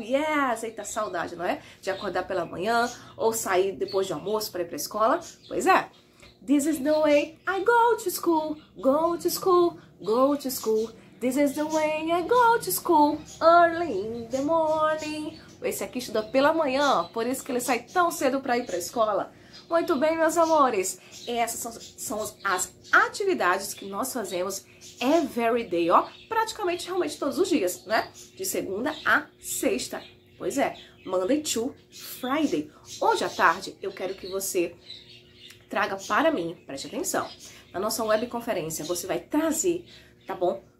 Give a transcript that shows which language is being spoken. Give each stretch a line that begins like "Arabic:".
Portuguese: Yes, eita saudade, não é? De acordar pela manhã ou sair depois do almoço para ir para a escola. Pois é.
English: This is the way I go to school, go to school, go to school. This is the way I go to school, early in the morning.
Portuguese: Esse aqui estuda pela manhã, por isso que ele sai tão cedo para ir para a escola. Muito bem, meus amores. Essas são as atividades que nós fazemos every day, ó. Praticamente, realmente, todos os dias, né? De segunda a sexta. Pois é,
English: Monday to Friday.
Portuguese: Hoje à tarde, eu quero que você traga para mim, preste atenção, na nossa webconferência, você vai trazer, tá bom?